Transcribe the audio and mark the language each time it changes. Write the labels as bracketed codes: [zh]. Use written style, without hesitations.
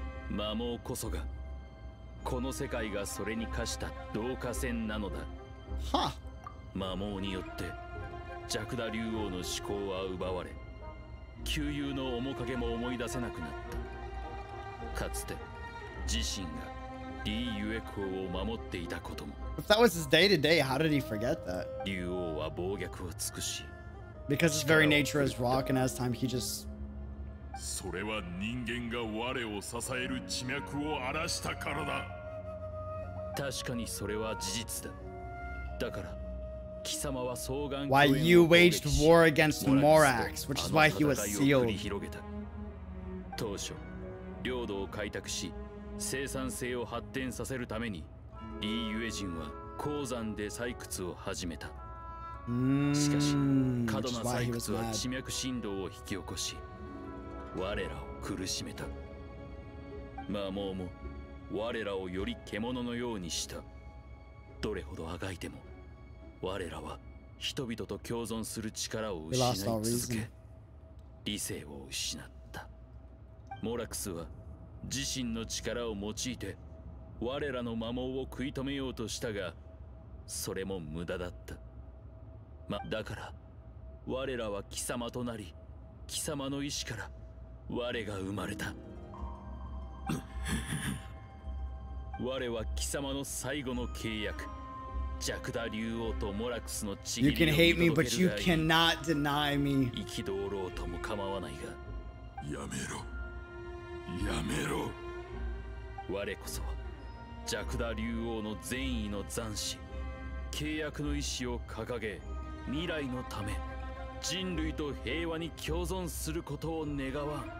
[ja] 魔王こそが、この世界がそれに課した導火線なのだ。は。魔王によって、ジャクダ竜王の思考は奪われ、旧友の面影も思い出せなくなった。かつて、自身がリー・ユエコを守っていたことも。 [en] If that was his day to day, how did he forget that? [ja] 竜王は暴虐を尽くし。 [en] Because his very nature is rock, and as time he just. [ja] それは人間が我を支える地脈を荒らしたからだ。確かにそれは事実だ。だから貴様は双眼鏡を。 [en] Why you waged war against Morax, which is why he was sealed. [ja] 当初、領土を開拓し、生産性を発展させるために、リー・ユエ人は鉱山で採掘を始めた。しかし、過度な採掘は地脈振動を引き起こし、我らを苦しめた。魔王も我らをより獣のようにした。どれほど足掻いても、我らは人々と共存する力を失い続け、理性を失った。モラクスは自身の力を用いて、我らの魔王を食い止めようとしたが、それも無駄だった。だから我らは貴様となり、貴様の意志から我が生まれた。我は貴様の最後の契約、ジャクダ竜王とモラクスの契約。 [en] You can hate me, but you cannot deny me. [ja] 生き通ろうとも構わないが。やめろ、やめろ。我こそはジャクダ竜王の善意の残滓、契約の意志を掲げ。未来のため、人類と平和に共存することを願わ